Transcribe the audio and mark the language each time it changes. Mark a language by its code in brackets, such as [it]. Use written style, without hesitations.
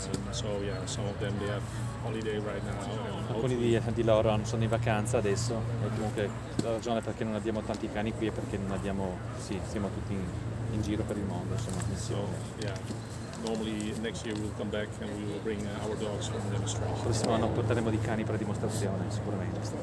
[en] So yeah, some of them they have holiday right now. [it] Alcuni di loro sono in vacanza adesso. E comunque la ragione perché non abbiamo tanti cani qui è perché non abbiamo siamo tutti in giro per il mondo, insomma, missione. So, normally next year we'll come back and we will bring our dogs for the demonstration. Prossimo anno porteremo dei cani per dimostrazione, sicuramente.